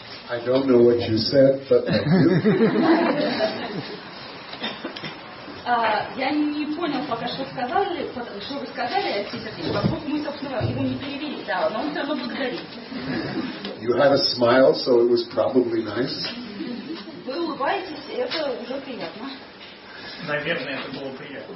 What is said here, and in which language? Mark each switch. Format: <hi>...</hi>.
<en>I don't know what you said, but</en> <ru>Я не понял пока, что вы сказали, поскольку мы, собственно, его не перевели, да, но он все равно благодарит.</ru> <en>You had a smile, so it was probably nice.</en> <ru>Вы улыбаетесь, это уже приятно. Наверное, это было приятно.</ru>